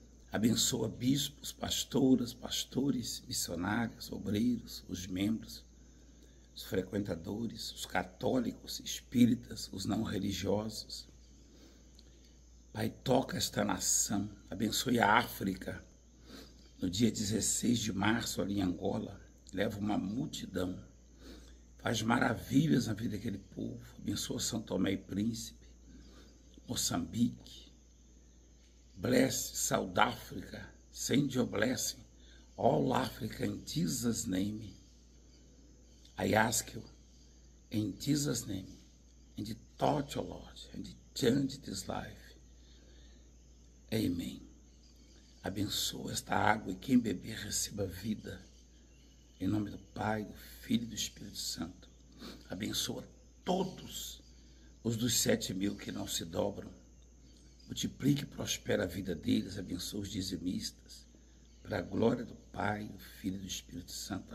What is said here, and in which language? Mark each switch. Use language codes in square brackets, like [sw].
[pt] Abençoa bispos, pastoras, pastores, missionários, obreiros, os membros, os frequentadores, os católicos, espíritas, os não religiosos. Pai, toca esta nação, abençoe a África. No dia 16 de março, ali em Angola, leva uma multidão, faz maravilhas na vida daquele povo. Abençoa São Tomé e Príncipe, Moçambique. [en] Bless South Africa, send your blessing, all Africa in Jesus' name. I ask you, in Jesus' name, and touch your Lord, and change this life. Amen. [pt] Abençoa esta água e quem beber receba vida. Em nome do Pai, do Filho e do Espírito Santo. Abençoa todos os dos 7.000 que não se dobram. Multiplique e prospera a vida deles, abençoe os dizimistas, para a glória do Pai, do Filho e do Espírito Santo.